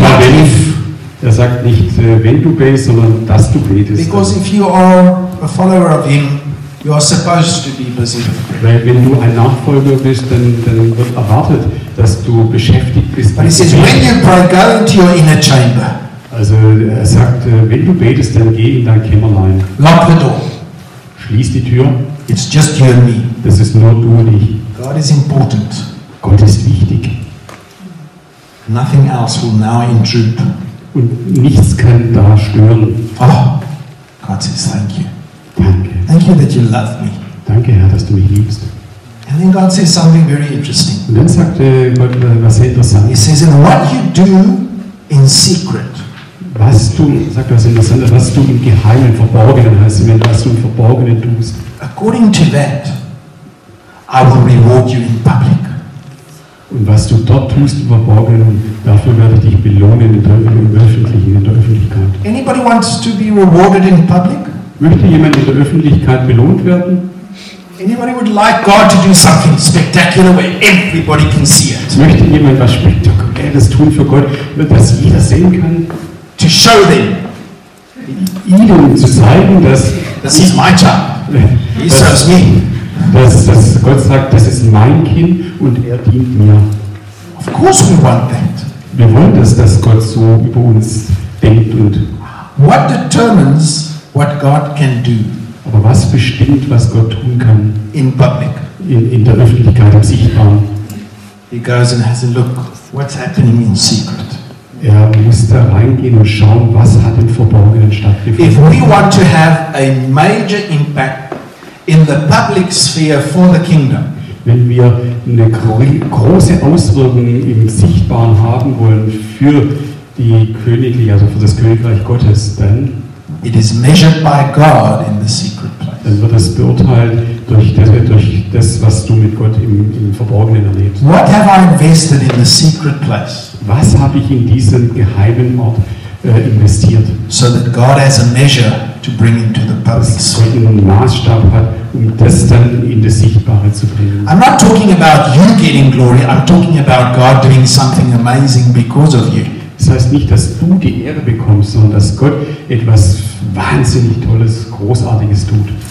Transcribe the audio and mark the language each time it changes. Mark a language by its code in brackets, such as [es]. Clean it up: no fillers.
[de] wenn. Er sagt nicht wenn du betest, sondern dass du betest. [en] Because if you are a follower of him, you are supposed to be busy. [de] Weil wenn du ein Nachfolger bist, dann wird erwartet, dass du beschäftigt bist. [en] But he says, when you pray, go into your inner chamber. [de] Also er sagt, wenn du betest, dann geh in dein Kämmerlein. [en] Lock the door. [de] Schließ die Tür. [en] It's just you and me. [de] Das ist nur du und ich. [en] God is important. [de] Gott ist wichtig. [en] Nothing else will now intrude. [de] Und nichts kann da stören. [en] Oh, God says thank you. [de] Danke. [en] Thank you that you love me. [de] Danke, Herr, dass du mich liebst. [en] And then God says something very interesting. [de] Und dann sagt Gott was sehr interessantes. [en] He says, in what you do in secret. [de] Was du, sagt was interessantes, was du im Geheimen, Verborgenen heißt, wenn du was im Verborgenen tust. [en] According to that, I will reward you in public. [de] Und was du dort tust im Verborgenen, dafür werde ich dich belohnen in der Öffentlichkeit. [en] Anybody wants to be rewarded in public? [de] Möchte jemand in der Öffentlichkeit belohnt werden? [en] Anybody would like God to do something spectacular where everybody can see it? [de] Möchte jemand was Spektakuläres tun für Gott, dass jeder sehen kann? [en] To show them. [de] Ihnen zu zeigen, dass das ist mein Job. [en] He serves me. [de] Dass Gott sagt, das ist mein Kind und er dient mir. [en] Of course we want that. [de] Wir wollen das, dass Gott so über uns denkt und. [en] What determines what God can do? [de] Aber was bestimmt, was Gott tun kann? [en] In public. [de] In der Öffentlichkeit, im Sichtbaren. [en] He goes and has a look. What's happening in secret? [de] Er muss da reingehen und schauen, was hat im Verborgenen stattgefunden. [en] If we want to have a major impact in the public sphere for the kingdom. [de] Wenn wir eine große Auswirkung im Sichtbaren haben wollen für die Königliche, also für das Königreich Gottes, dann [en] it is measured by God in the secret place. [de] Dann wird es beurteilt durch das, was du mit Gott im Verborgenen erlebst. [en] What have I invested in the secret place? [de] Was habe ich in diesen geheimen Ort investiert? [en] So that God has a measure to bring into the public sphere. [de] Dass Gott einen Maßstab hat, um das dann in das Sichtbare zu bringen. [en] I'm not talking about you getting glory. I'm talking about God doing something amazing because of you. [de] Das heißt nicht, dass du die Ehre bekommst, sondern dass Gott etwas wahnsinnig Tolles, Großartiges tut.